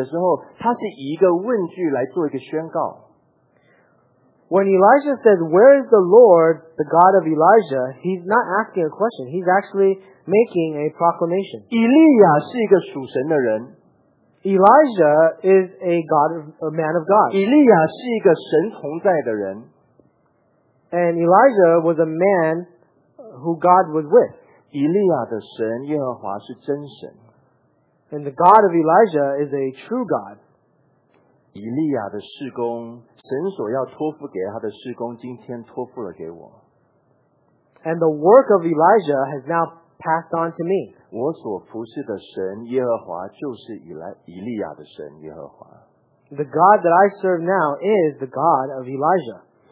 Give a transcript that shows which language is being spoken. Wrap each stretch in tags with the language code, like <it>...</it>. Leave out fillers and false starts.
<zh>当伊丽莎说耶和华以利亚的神在哪里的时候，他是以一个问句来做一个宣告。</zh> <en>When Elisha says, "Where is the Lord, the God of Elijah?" he's not asking a question. He's actually making a proclamation.</en> <zh>以利亚是一个属神的人。</zh> <en>Elijah is a God, a man of God.</en> <zh>以利亚是一个神同在的人。</zh> <en>And Elijah was a man who God was with.</en> <zh>以利亚的神耶和华是真神。</zh> <en>And the God of Elijah is a true God.</en> <zh>以利亚的事工，神所要托付给他的事工，今天托付了给我。</zh> <en>And the work of Elijah has now passed on to me.</en> <zh>我所服侍的神耶和华就是以利亚的神耶和华。</zh> <en>The God that I serve now is the God of Elijah.</en>